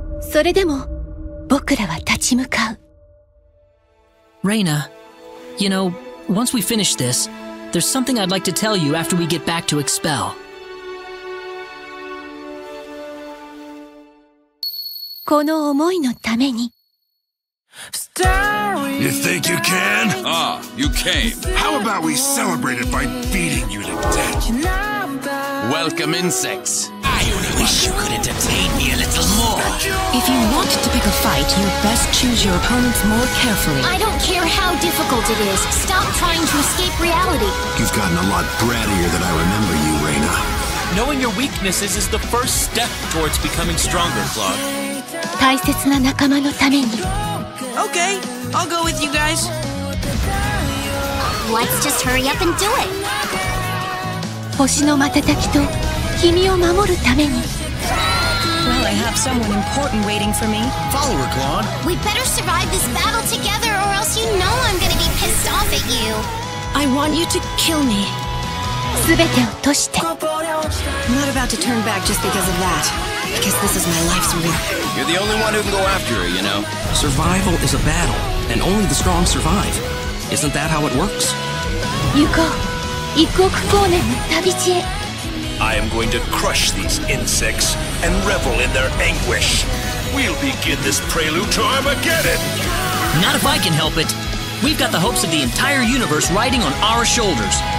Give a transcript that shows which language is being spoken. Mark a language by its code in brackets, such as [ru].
[ja] それでも 僕らは立ち向かう [en] Reyna, you know, once we finish this, there's something I'd like to tell you after we get back to Expel. [ja] この思いのために [en] You think you can? Ah, you came. How about we celebrate it by beating you to death? Welcome, insects. I wish you could entertain me a little more. If you want to pick a fight, you'd best choose your opponent more carefully. I don't care how difficult it is. Stop trying to escape reality. You've gotten a lot brattier than I remember you, Reyna. Knowing your weaknesses is the first step towards becoming stronger, Claude. [ja] 大切な仲間のために [en] Okay, I'll go with you guys. Let's just hurry up and do it. [ja] 星の瞬きと君を守るために [en] Well, I have someone important waiting for me. Follow her, Claude. We better survive this battle together or else you know I'm gonna be pissed off at you. I want you to kill me. [ja] 全てを落として [en] I'm not about to turn back just because of that. Because this is my life's work. You're the only one who can go after her, you know. Survival is a battle, and only the strong survive. Isn't that how it works? [ja] 行こう。一刻光年の旅路へ [en] I am going to crush these insects and revel in their anguish. We'll begin this prelude to Armageddon! Not if I can help it. We've got the hopes of the entire universe riding on our shoulders.